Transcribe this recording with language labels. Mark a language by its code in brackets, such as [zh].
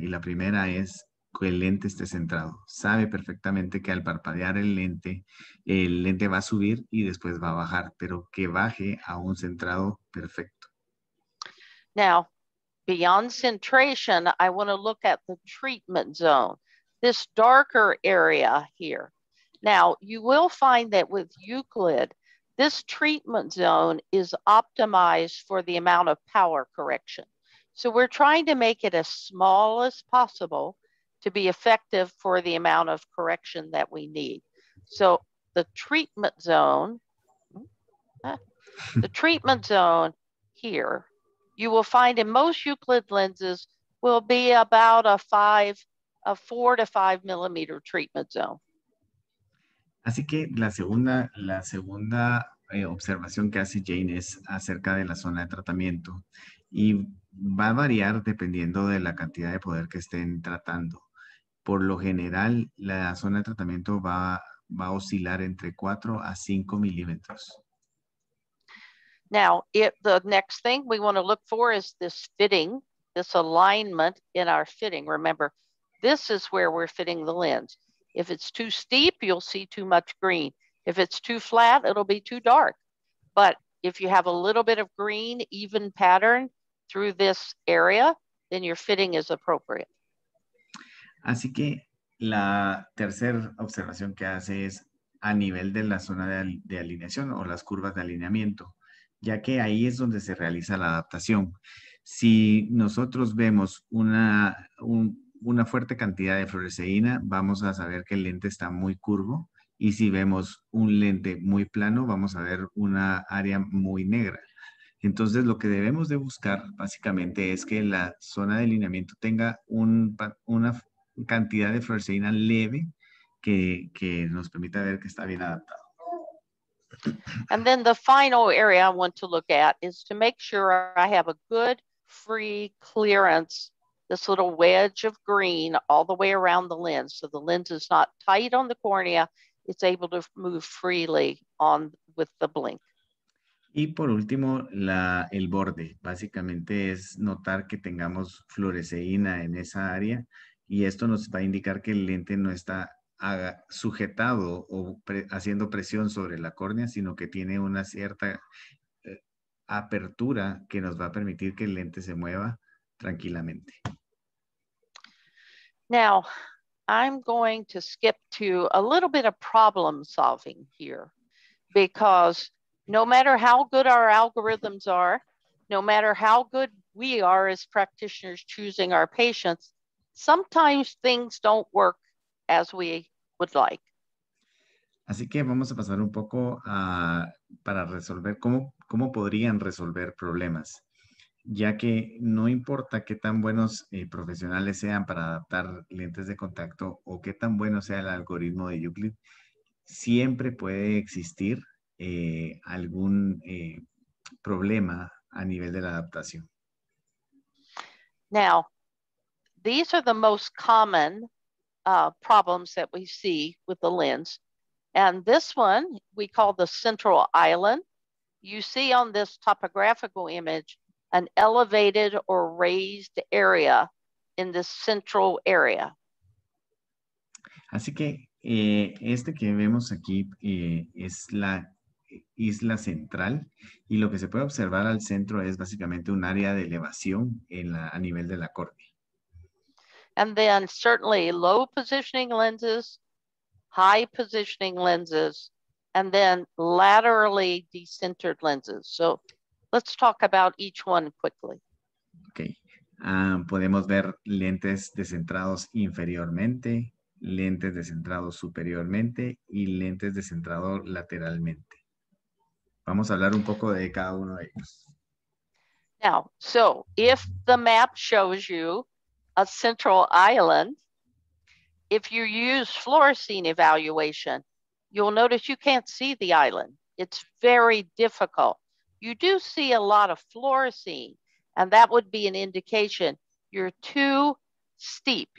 [es] Y la primera es que el lente esté centrado. Sabe perfectamente que al parpadear el lente va a subir y después va a bajar, pero que baje a un centrado perfecto. [en] Now, beyond centration, I want to look at the treatment zone, this darker area here. Now, you will find that with Euclid, this treatment zone is optimized for the amount of power correction. So we're trying to make it as small as possible to be effective for the amount of correction that we need. So the treatment zone here, you will find in most Euclid lenses will be about a four to five millimeter treatment zone. [es] Así que la segunda observación que hace Jane es acerca de la zona de tratamiento y va a variar dependiendo de la cantidad de poder que estén tratando. Por lo general, la zona de tratamiento va a oscilar entre 4 a 5 milímetros. [en] Now, the next thing we want to look for is this fitting, this alignment in our fitting. Remember, this is where we're fitting the lens. If it's too steep, you'll see too much green. If it's too flat, it'll be too dark. But if you have a little bit of green, even pattern through this area, then your fitting is appropriate. [es] Así que la tercera observación que hace es a nivel de la zona de alineación o las curvas de alineamiento, ya que ahí es donde se realiza la adaptación. Si nosotros vemos una fuerte cantidad de fluoresceína, vamos a saber que el lente está muy curvo. Y si vemos un lente muy plano, vamos a ver una área muy negra. Entonces, lo que debemos de buscar básicamente es que la zona de alineamiento tenga una cantidad de fluoresceína leve que nos permita ver que está bien adaptado. [en] And then the final area I want to look at is to make sure I have a good free clearance, this little wedge of green all the way around the lens. So the lens is not tight on the cornea. It's able to move freely on with the blink. [es] Y por último, el borde. Básicamente es notar que tengamos fluoresceína en esa área. Y esto nos va a indicar que el lente no está sujetado o haciendo presión sobre la córnea, sino que tiene una cierta apertura que nos va a permitir que el lente se mueva tranquilamente. [en] Now, I'm going to skip to a little bit of problem solving here, because no matter how good our algorithms are, no matter how good we are as practitioners choosing our patients, sometimes things don't work as we would like. [es] Así que vamos a pasar un poco para resolver cómo podrían resolver problemas. Ya que no importa qué tan buenos profesionales sean para adaptar lentes de contacto o qué tan bueno sea el algoritmo de Euclid, siempre puede existir algún problema a nivel de la adaptación. [en] Now, these are the most common problems that we see with the lens. And this one we call the central island. You see on this topographical image an elevated or raised area in the central area. [es] Así que este que vemos aquí es la isla central y lo que se puede observar al centro es básicamente un área de elevación a nivel de la córnea. [en] And then certainly low positioning lenses, high positioning lenses, and then laterally decentered lenses. So let's talk about each one quickly. [es] Okay. Podemos ver lentes descentrados inferiormente, lentes descentrados superiormente y lentes descentrados lateralmente. Vamos a hablar un poco de cada uno de ellos. [en] Now, so if the map shows you a central island, if you use fluorescein evaluation, you'll notice you can't see the island. It's very difficult. You do see a lot of fluorescein, and that would be an indication you're too steep.